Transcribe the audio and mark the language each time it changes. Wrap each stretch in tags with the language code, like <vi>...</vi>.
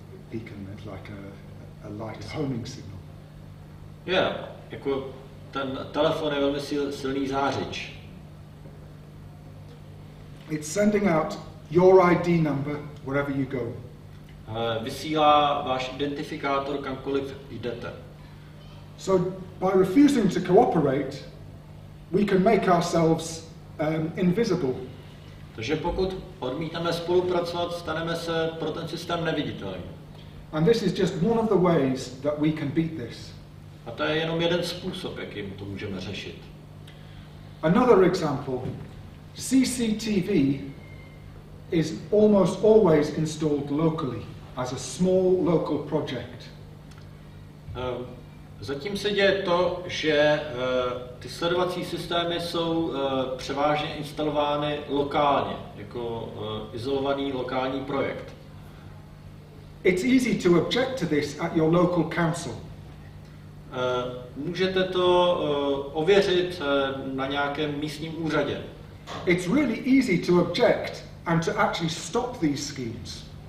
<en>Beacon is like a light homing signal.</en> <cs>Yeah, jako ten telefon je velmi silný zářič.</cs> <en>It's sending out your ID number wherever you go.</en> <cs>Vysílá váš identifikátor kamkoliv jdete.</cs> <en>So by refusing to cooperate, we can make ourselves invisible.</en> <cs>Takže pokud odmítneme spolupracovat, staneme se pro ten systém neviditelní.</cs> <en>And this is just one of the ways that we can beat this.</en> <cs>A to je jenom jeden způsob, jakým to můžeme řešit.</cs> <en>Another example, CCTV is almost always installed locally as a small local project.</en> <cs>Zatím se děje to, že ty sledovací systémy jsou převážně instalovány lokálně, jako izolovaný lokální projekt.</cs> <en>It's easy to object to this at your local council.</en> <cs>Můžete to ověřit na nějakém místním úřadě.</cs> <en>It's really easy to object and to actually stop these schemes.</en>